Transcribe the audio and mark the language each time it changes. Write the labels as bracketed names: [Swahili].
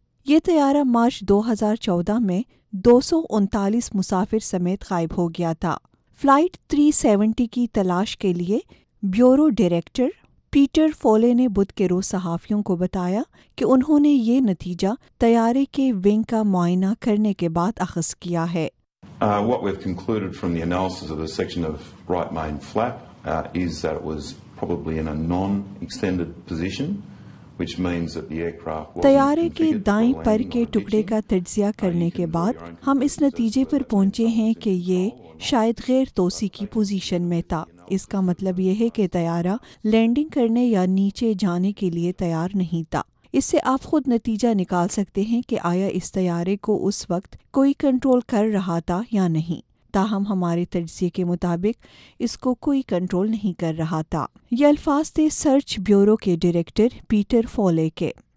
[Urdu] یہ طیارہ مارچ 2014 میں 239 مسافر سمیت غائب ہو گیا تھا۔ فلائٹ 370 کی تلاش کے لیے بیورو ڈائریکٹر پیٹر فولے نے بدھ کے روز صحافیوں کو بتایا کہ انہوں نے یہ نتیجہ طیارے کے ونگ کا معائنہ کرنے کے بعد اخذ کیا ہے۔ [English] What we've concluded from the analysis of the section of right main flap is that it was probably in a non-extended position, which means that the aircraft was [Urdu] طیارے کے دائیں پر کے ٹکڑے کا تجزیہ کرنے کے بعد ہم اس نتیجے پر پہنچے ہیں کہ یہ شاید غیر توسیع کی پوزیشن میں تھا۔ اس کا مطلب یہ ہے کہ طیارہ لینڈنگ کرنے یا نیچے جانے کے لیے تیار نہیں تھا۔ اس سے آپ خود نتیجہ نکال سکتے ہیں کہ آیا اس طیارے کو اس وقت کوئی کنٹرول کر رہا تھا یا نہیں۔ تاہم ہمارے تجزیے کے مطابق اس کو کوئی کنٹرول نہیں کر رہا تھا۔ یہ الفاظ تھے سرچ بیورو کے ڈائریکٹر پیٹر فولے کے۔